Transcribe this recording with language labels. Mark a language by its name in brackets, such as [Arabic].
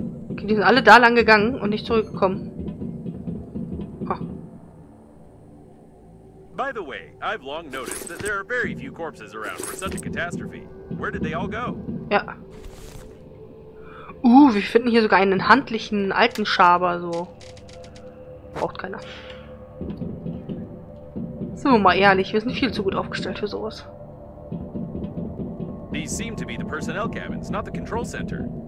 [German] Okay, die sind alle da lang gegangen und nicht zurückgekommen. Oh. [English] By the way, I've long noticed that there are very few corpses around for such a catastrophe. Where did they all go? [German] Ja. Wir finden hier sogar einen handlichen alten Schaber, so. Braucht keiner. Sind wir mal ehrlich, wir sind viel zu gut aufgestellt für sowas. [English] These seem to be the personnel cabins, not the control center.